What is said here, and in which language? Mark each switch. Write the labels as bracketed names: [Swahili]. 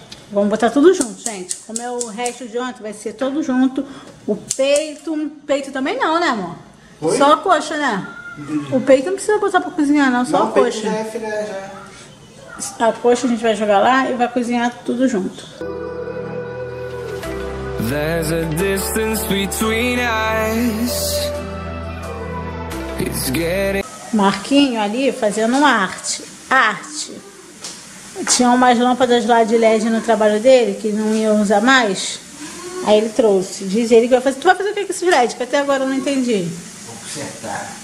[Portuguese] Vamos botar tudo junto, gente. Como é o resto de ontem, vai ser tudo junto. O peito. Peito também não, né, amor? Oi? Só a coxa, né? O peito não precisa botar pra cozinhar, não. Só não, a coxa. Já. A coxa a gente vai jogar lá e vai cozinhar tudo junto. [English] There's a distance between us. It's getting. [Portuguese] Marquinho ali fazendo uma arte. Arte. Tinha umas lâmpadas lá de LED no trabalho dele que não ia usar mais. Aí ele trouxe. Diz ele que vai fazer. Tu vai fazer o que com esses LED? Que até agora eu não entendi. Vou consertar.